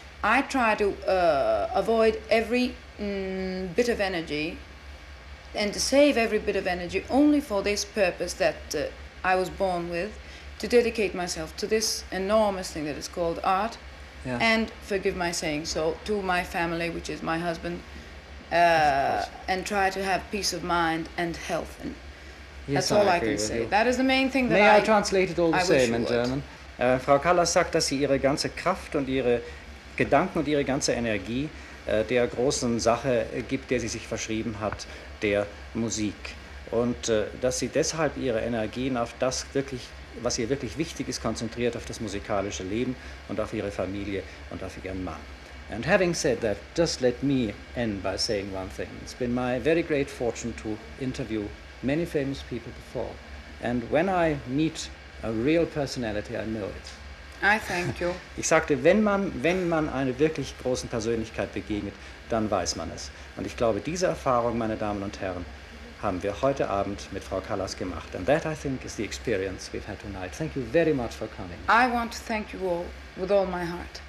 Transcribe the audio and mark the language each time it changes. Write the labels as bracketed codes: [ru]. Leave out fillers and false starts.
[en] I try to avoid every bit of energy and to save every bit of energy only for this purpose that I was born with to dedicate myself to this enormous thing that is called art, yeah. and forgive my saying so, to my family, which is my husband, and try to have peace of mind and health. And yes, that's all I can say. You. That is the main thing that May I translate it all the I same in German? [de] Frau Callas sagt, dass sie ihre ganze Kraft und ihre Gedanken und ihre ganze Energie der großen Sache gibt, der sie sich verschrieben hat, der Musik. Und dass sie deshalb ihre Energien auf das wirklich, was ihr wirklich wichtig ist, konzentriert, auf das musikalische Leben und auf ihre Familie und auf ihren Mann. [en] And having said that, just let me end by saying one thing. It's been my very great fortune to interview many famous people before. And when I meet a real personality, I know it. I thank you. [de] Ich sagte, wenn man eine wirklich großen Persönlichkeit begegnet, dann weiß man es. Und ich glaube, diese Erfahrung, meine Damen und Herren, haben wir heute Abend mit Frau Callas gemacht. [en] And that, I think, is the experience we've had tonight. Thank you very much for coming. I want to thank you all with all my heart.